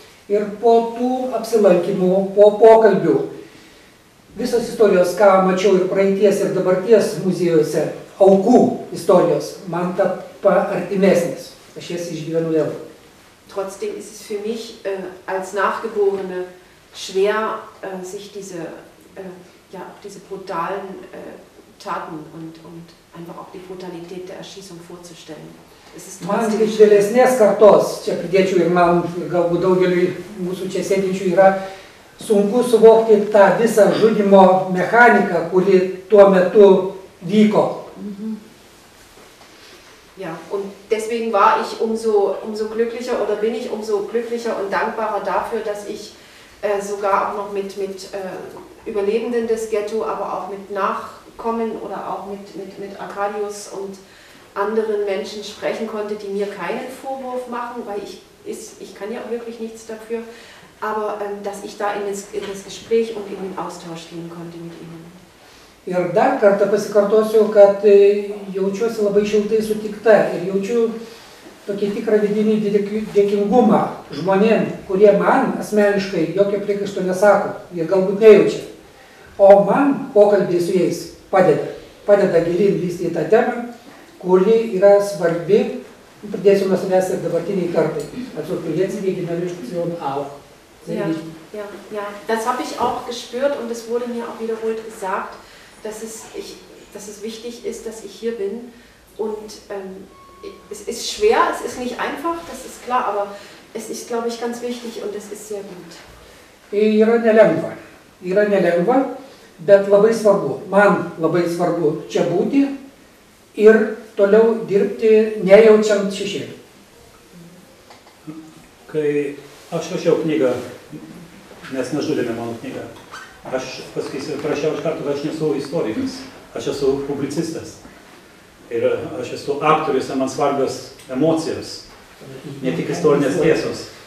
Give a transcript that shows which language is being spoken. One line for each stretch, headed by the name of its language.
Lithuanian: Ir po tų apsilankimų, po pokalbių, visos istorijos, ką mačiau ir praeities, ir dabarties muziejuose, aukų istorijos, man tapo artimesnės. Aš jas išgyvenu vėl.
German: Trotzdem ist es für mich als Nachgeborene schwer, sich diese, ja, diese brutalen Taten und einfach auch die Brutalität der Erschießung vorzustellen. Es ist trotzdem man,
Lithuanian: vėlesnės kartos, čia pridėčiau ir man, galbūt daugeliui mūsų čia sėdinčių, yra sunku suvokti tą visą žudimo mechaniką, kuri tuo metu vyko.
German: Ja, und deswegen war ich umso glücklicher oder bin ich umso glücklicher und dankbarer dafür, dass ich sogar auch noch mit Überlebenden des Ghetto, aber auch mit Nachkommen oder auch mit Arkadius und anderen Menschen sprechen konnte, die mir keinen Vorwurf machen, weil ich kann ja auch wirklich nichts dafür, aber dass ich da in das Gespräch und in den Austausch gehen konnte mit ihnen.
Lithuanian: Ir dar kartą pasikartosiu, kad jaučiuosi labai šiltai sutikta ir jaučiu tokį tikrą vidinį dėkingumą žmonėm, kurie man asmeniškai jokio priekaišto nesako, jie galbūt nejaučia. O man pokalbiai su jais padeda gilyn lysti į tą temą, kuri yra svarbi, pradėsiu nuo savęs ir dabartiniai kartai. Ačiū priliecinį, gynališkus jau auk.
German: Ja, das habe ich auch gespürt und es wurde mir auch wiederholt gesagt, dass es wichtig ist, dass ich hier bin. Und es ist schwer, es ist nicht einfach, das ist klar, aber es ist, glaube ich, ganz wichtig und es ist sehr gut.
Lithuanian: Yra nelengva. Yra nelengva, bet labai svarbu. Man labai svarbu čia būti ir toliau dirbti nejaučiant šešėlį. Kai aš rašiau knygą, mes nežudėme mano knygą, aš pasakysiu, prašiau iš karto, kad aš nesu istorikas, aš esu publicistas ir aš esu aktorius, man svarbios emocijos, ne tik istorinės tiesos.